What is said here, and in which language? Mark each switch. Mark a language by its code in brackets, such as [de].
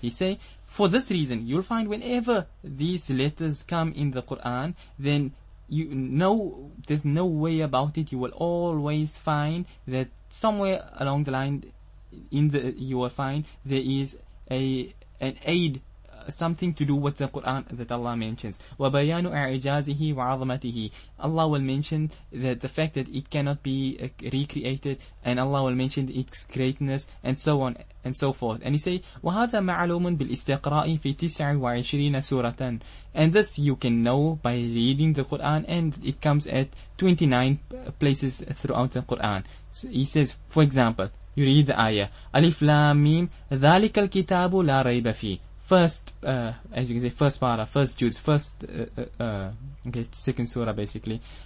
[en] He say, for this reason, you'll find whenever these letters come in the Quran, then you know, there's no way about it, you will always find that somewhere along the line in the, you will find there is an aid, something to do with the Quran that Allah mentions. [ar] وَبَيَانُ أَعْجَازِهِ وَعَظَمَتِهِ. [en] Allah will mention that the fact that it cannot be recreated, and Allah will mention its greatness, and so on and so forth. And he say, [ar] وَهَذَا مَعْلُومٌ بِالْإِسْتِقْرَاءِ فِي 29 سُورَةً. [en] And this you can know by reading the Quran, and it comes at 29 places throughout the Quran. So he says, for example, you read the ayah, [ar] أَلِفْ لَامْ مِيمْ ذَلِكَ الْكِتَابُ لَا رَيْبَ فِيهِ. [en] First, as you can say, first para, first juz, first, second surah basically.